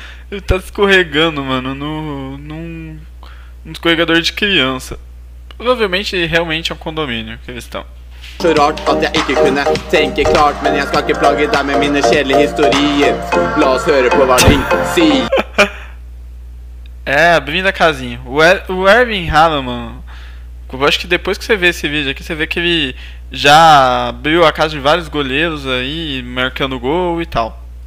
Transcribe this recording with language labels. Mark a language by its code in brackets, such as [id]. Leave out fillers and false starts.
[pt] Ele tá escorregando, mano, num escorregador de criança. Provavelmente realmente é um condomínio que eles estão. [no] Så rart at jeg ikke kunne tenke klart, men jeg skal ikke plage deg med mine kjedelige historier. La oss høre på hva din sier. [pt] É, abrindo a casinha. O Erwin Haaland, mano. Eu acho que depois que você vê esse vídeo aqui, você vê que ele já abriu a casa de vários goleiros aí, marcando gol e tal.